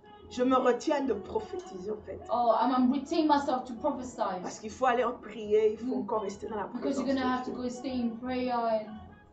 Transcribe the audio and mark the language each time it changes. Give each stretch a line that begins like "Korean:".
French: Je me retiens de prophétiser en fait.
English: Oh, I'm retaining myself to prophesy.
French: Parce qu'il faut aller en prier, il faut encore rester dans la présence.
English: Because you're going to have to go stay in prayer and